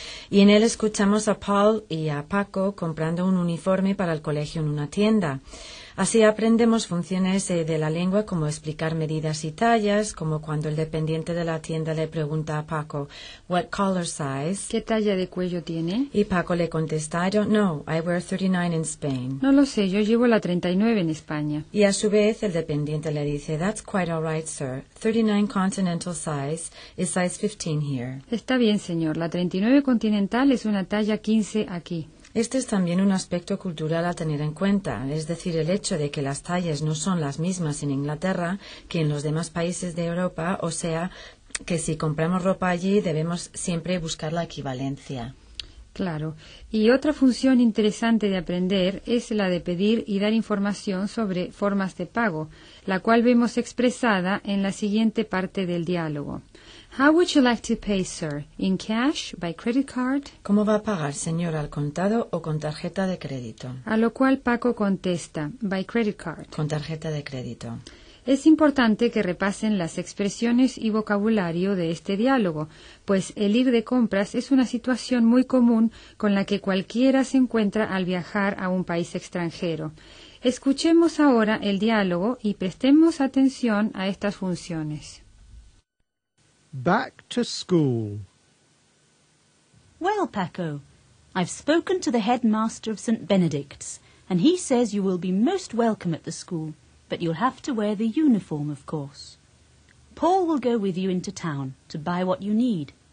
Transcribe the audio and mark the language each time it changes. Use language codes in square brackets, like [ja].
[es] Y en él escuchamos a Paul y a Paco comprando un uniforme para el colegio en una tienda. Así aprendemos funciones de la lengua, como explicar medidas y tallas, como cuando el dependiente de la tienda le pregunta a Paco, [en] what collar size? [es] ¿Qué talla de cuello tiene? Y Paco le contesta, [en] I don't know, I wear 39 in Spain. [es] No lo sé, yo llevo la 39 en España. Y a su vez el dependiente le dice, [en] that's quite all right, sir. 39 continental size is size 15 here. [es] Está bien, señor, la 39 continental es una talla 15 aquí. Este es también un aspecto cultural a tener en cuenta, es decir, el hecho de que las tallas no son las mismas en Inglaterra que en los demás países de Europa, o sea, que si compramos ropa allí debemos siempre buscar la equivalencia. Claro. Y otra función interesante de aprender es la de pedir y dar información sobre formas de pago, la cual vemos expresada en la siguiente parte del diálogo. [en] How would you like to pay, sir? In cash? By credit card? [es] ¿Cómo va a pagar, señor, al contado o con tarjeta de crédito? A lo cual Paco contesta, [en] by credit card. [es] Con tarjeta de crédito. Es importante que repasen las expresiones y vocabulario de este diálogo, pues el ir de compras es una situación muy común con la que cualquiera se encuentra al viajar a un país extranjero. Escuchemos ahora el diálogo y prestemos atención a estas funciones. [en] Back to school. Well, Paco, I've spoken to the headmaster of St. Benedict's, and he says you will be most welcome at the school, but you'll have to wear the uniform, of course. Paul will go with you into town to buy what you need.